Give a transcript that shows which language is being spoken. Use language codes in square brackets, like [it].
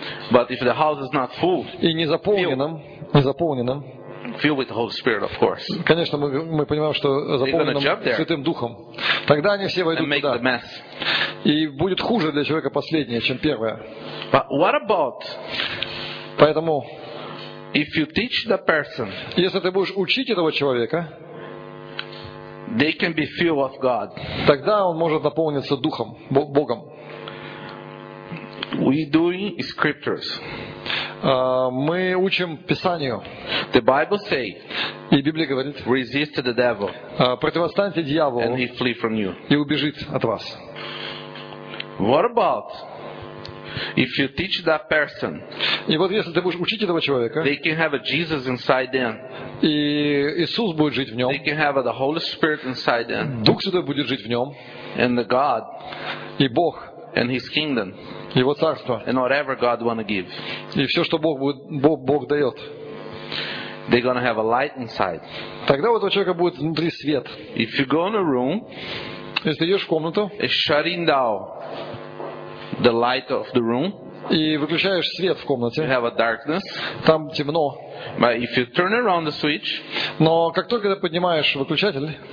[en] But if the house is not full. [ru] И не заполненным. Незаполненным. [en] Filled with the Holy Spirit, of course. [ru] Конечно, мы понимаем, что заполненным Святым Духом. Тогда они все войдут туда. [en] The mess. [ru] И будет хуже для человека последнее, чем первое. [en] But what about? [ru] Поэтому. [en] If you teach the person. [ru] Если ты будешь учить этого человека. [en] They can be filled of God. [ru] Тогда он может наполниться Духом, Богом. [en] We doing scriptures. [ru] Мы учим Писанию. [en] The Bible say. [ru] И Библия говорит. [en] Resist the devil. [ru] Противостаньте дьяволу. [en] And he flee from you. [ru] И убежит от вас. [en] What about if you teach that person? [ru] И вот если ты будешь учить этого человека. [en] They can have a Jesus inside them. [ru] И Иисус будет жить в нем. [en] They can have the Holy Spirit inside them. [ru] Дух Святой будет жить в нем. [en] And the God. [ru] И Бог. [en] And his kingdom. [ru] Его царство. [en] And whatever God wanna give. [ru] И все, что Бог дает. [en] They're gonna have a light inside. [ru] Тогда у этого человека будет внутри свет. [en] If you go in a room. [ru] Если ты идешь в комнату. [en] And shutting down the light of the room. [ru] И выключаешь свет в комнате. [en] You have a darkness. [ru] Там темно. [en] But if you turn around the switch. [ru] Но как только ты поднимаешь выключатель.